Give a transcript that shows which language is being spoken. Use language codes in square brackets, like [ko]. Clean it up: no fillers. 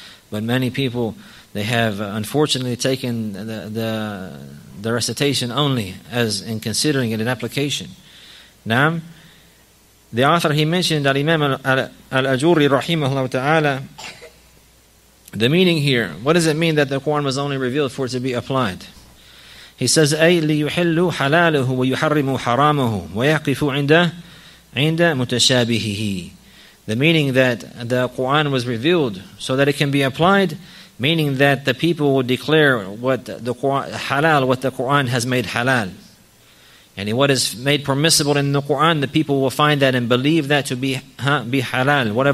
[en] But many people, they have unfortunately taken the recitation only as in considering it in application. Naam. The author, he mentioned Al-Imam Al-Ajuri rahimahullah ta'ala, the meaning here, what does it mean that the Quran was only revealed for it to be applied? He says, [ar] أي ليحلوا حلاله ويحرموا حرامه ويقفوا عند متشابهه. [en] The meaning that the Quran was revealed so that it can be applied, meaning that the people will declare what the Quran, halal, what the Quran has made halal. And what is made permissible in the Quran, the people will find that and believe that to be halal.